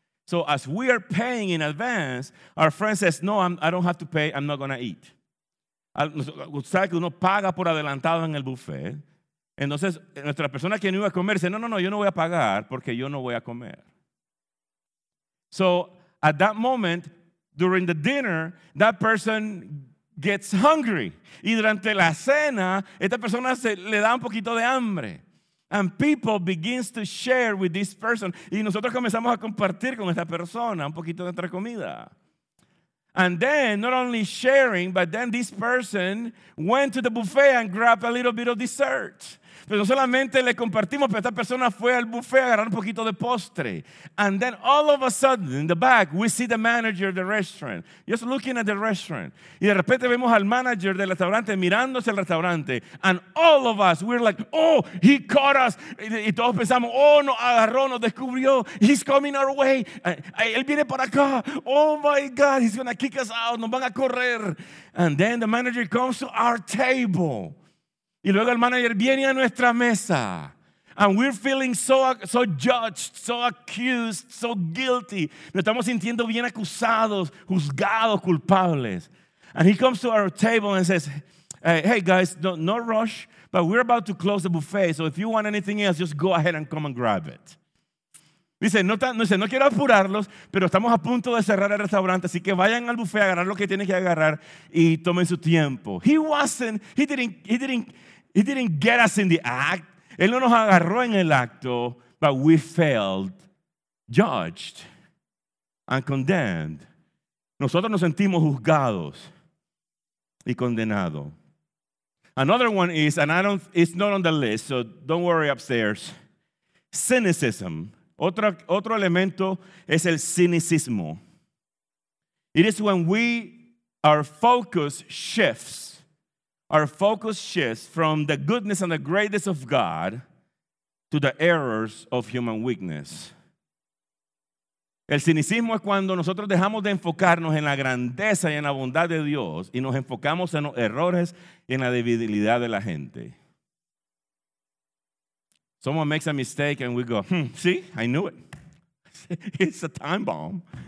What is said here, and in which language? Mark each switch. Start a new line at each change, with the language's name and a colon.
English: So as we are paying in advance, our friend says, no, I don't have to pay, I'm not going to eat.
Spanish: Sabe que uno paga por adelantado en el buffet. Entonces, nuestra persona que no iba a comer dice, no, yo no voy a pagar porque yo no voy a comer.
English: So, at that moment, during the dinner, that person gets hungry.
Spanish: Y durante la cena, esta persona le da un poquito de hambre.
English: And people begins to share with this person.
Spanish: Y nosotros comenzamos a compartir con esta persona un poquito de nuestra comida.
English: And then, not only sharing, but then this person went to the buffet and grabbed a little bit of dessert.
Spanish: Pero no solamente le compartimos, pero esta persona fue al buffet a agarrar un poquito de postre.
English: And then all of a sudden, in the back, we see the manager of the restaurant. Just looking at the restaurant.
Spanish: Y de repente vemos al manager del restaurante mirándose el restaurante.
English: And all of us, we're like, oh, he caught us.
Spanish: Y todos pensamos, oh, nos agarró, nos descubrió.
English: He's coming our way.
Spanish: Él viene para acá.
English: Oh, my God, he's going to kick us out.
Spanish: Nos van a correr.
English: And then the manager comes to our table.
Spanish: Y luego el manager viene a nuestra mesa.
English: And we're feeling so judged, so accused, so guilty.
Spanish: Nos estamos sintiendo bien acusados, juzgados, culpables.
English: And he comes to our table and says, hey guys, no rush, but we're about to close the buffet. So if you want anything else, just go ahead and come and grab it.
Spanish: Dice, no quiero apurarlos, pero estamos a punto de cerrar el restaurante, así que vayan al buffet a agarrar lo que tienen que agarrar y tomen su tiempo.
English: He didn't get us in the act.
Spanish: Él no nos agarró en el acto,
English: but we felt judged and condemned.
Spanish: Nosotros nos sentimos juzgados y condenados.
English: Another one is, it's not on the list, so don't worry upstairs, cynicism.
Spanish: Otro elemento es el cinicismo.
English: It is when our focus shifts our focus shifts from the goodness and the greatness of God to the errors of human weakness.
Spanish: El cinismo es cuando nosotros dejamos de enfocarnos en la grandeza y en la bondad de Dios y nos enfocamos en los errores y en la debilidad de la gente.
English: Someone makes a mistake and we go, see, I knew it. It's a time bomb.